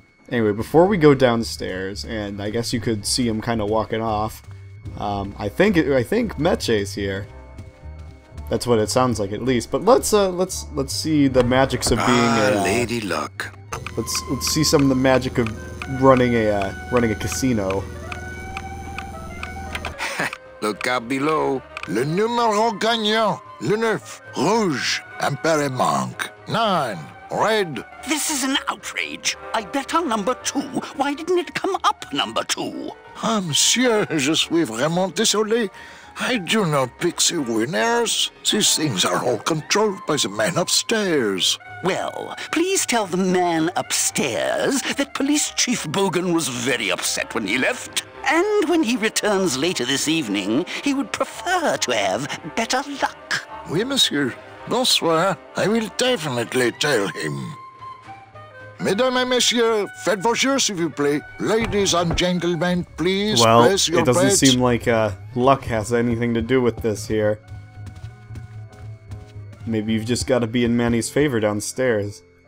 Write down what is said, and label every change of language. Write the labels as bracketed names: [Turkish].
[English] Anyway, before we go downstairs, and I guess you could see him kind of walking off, I think Meche's here. That's what it sounds like, at least. But let's see the magics of being a Lady Luck. Let's see some of the magic of running a casino. Look out below. [French] Le numéro gagnant, le neuf, rouge, impéré manque, [English] nine, red. This is an outrage. I bet on number two. Why didn't it come up, number two? [French] Ah, monsieur, je suis vraiment désolé. [English] I do not pick the winners. These things are all controlled by the man upstairs. Well, please tell the man upstairs that Police Chief Bogan was very upset when he left. And when he returns later this evening, he would prefer to have better luck. [French] Oui, monsieur. Bonsoir. [English] I will definitely tell him. [French] Mesdames et messieurs, faites vos jeux, s'il vous plaît. [English] Ladies and gentlemen, please well, place your bets. Well, it doesn't bet. Seem like luck has anything to do with this here. Maybe you've just got to be in Manny's favor downstairs.